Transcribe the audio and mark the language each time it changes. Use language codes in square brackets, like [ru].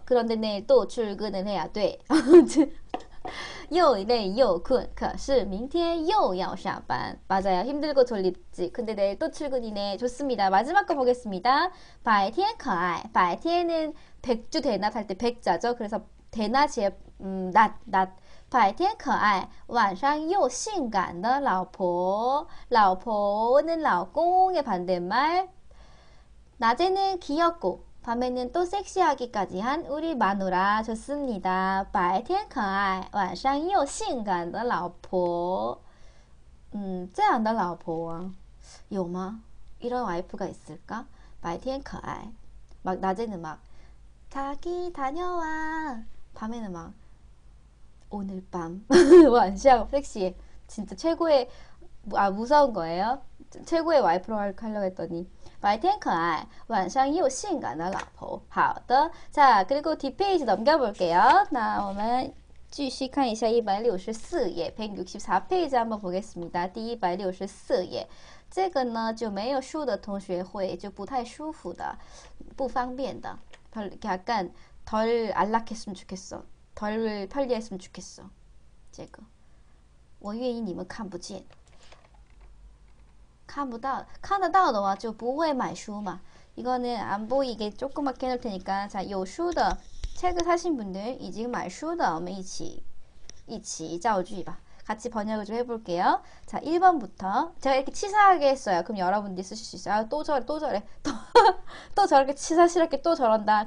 [ko] 그런데 내일 또 출근을 해야 돼. [zh] 又累又困,可是明天又要上班. [ko] 맞아요. 힘들고 졸리지. 근데 내일 또 출근이네. 좋습니다. 마지막 거 보겠습니다. [zh] 白天可爱. [ko] 白天은 백주 대낮 할때 백자죠. 그래서 대낮에 낮. [zh] 白天可爱,晚上又性感的老婆. [ko] 老婆는 老公의 반대말. 낮에는 귀엽고 밤에는 또 섹시하기까지 한 우리 마누라. 좋습니다. [zh] 白天可爱,晚上又性感的老婆. 这样的老婆啊, 有吗? [ko] 이런 와이프가 있을까? [zh] 白天可爱. [ko] 막 낮에는 막 자기 다녀와. 밤에는 막 오늘 밤 완샹 섹시해. 진짜 최고의, 아, 무서운 거예요? 최고의 와이프로 하려고 했더니 [zh] 白天可爱,晚上又性感的老婆.好的. [ko] 자, 그리고 뒷페이지 넘겨볼게요. 나 오늘 [zh] 继续看一下 164页, [ko] 164페이지 한번 보겠습니다. [zh] 第 164页. 这个呢,就没有书的同学会就不太舒服的,不方便的. [ko] 약간 덜 안락했으면 좋겠어. 덜 편리했으면 좋겠어. 제거. [zh] 我愿意你们看不见。看得到的话就不会买书嘛。 [ko] 이거는 안 보이게 조그맣게 해놓을 테니까. 자, 요 书的 책을 사신 분들 이제 [zh] 买 书的 我们一起 造句 [ko] 봐. 같이 번역을 좀 해볼게요. 자, 1번부터 제가 이렇게 치사하게 했어요. 그럼 여러분들이 쓰실 수 있어요. 아, 또 저래, 또 저래, 또 저렇게 치사스럽게 또 저런다.